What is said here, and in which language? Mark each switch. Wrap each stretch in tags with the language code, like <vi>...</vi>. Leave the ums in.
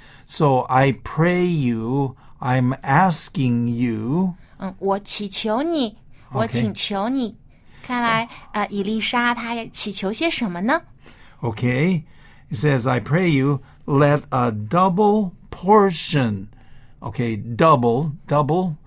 <en>So, I pray you, I'm asking you.</en> <zh>我请求你,我请求你。看来,伊丽莎她祈求些什么呢? Okay. 看来, uh, 以丽莎,</zh> <en>okay? he says, I pray you, let a double portion, okay, double, double.</en>